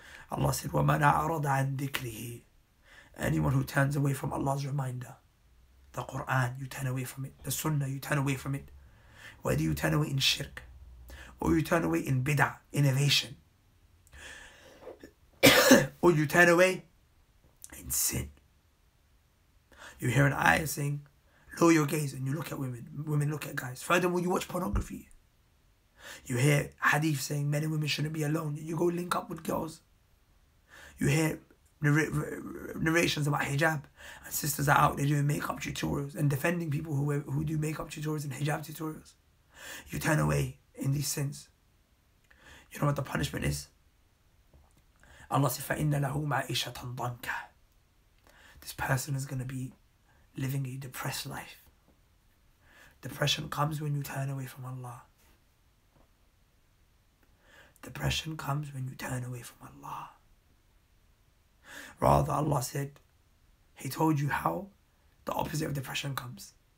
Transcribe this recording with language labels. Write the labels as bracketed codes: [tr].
[en] Allah said, [ar] وَمَنْ أَعْرَضَ عَنْ ذِكْرِهِ. [en] Anyone who turns away from Allah's reminder, the Quran, you turn away from it. The Sunnah, you turn away from it. Whether you turn away in shirk, or you turn away in bid'ah, innovation, or you turn away in sin. You hear an ayah saying, lower your gaze and you look at women. Women look at guys. Furthermore, you watch pornography. You hear hadith saying men and women shouldn't be alone. You go link up with girls. You hear narrations about hijab. And sisters are out, they're doing makeup tutorials and defending people who do makeup tutorials and hijab tutorials. You turn away in these sins. You know what the punishment is? Allah says, [ar] فَإِنَّ لَهُ مَعِيشَةً ضَنْكَ. [en] This person is going to be living a depressed life. Depression comes when you turn away from Allah. Depression comes when you turn away from Allah. Rather, Allah said, He told you how the opposite of depression comes.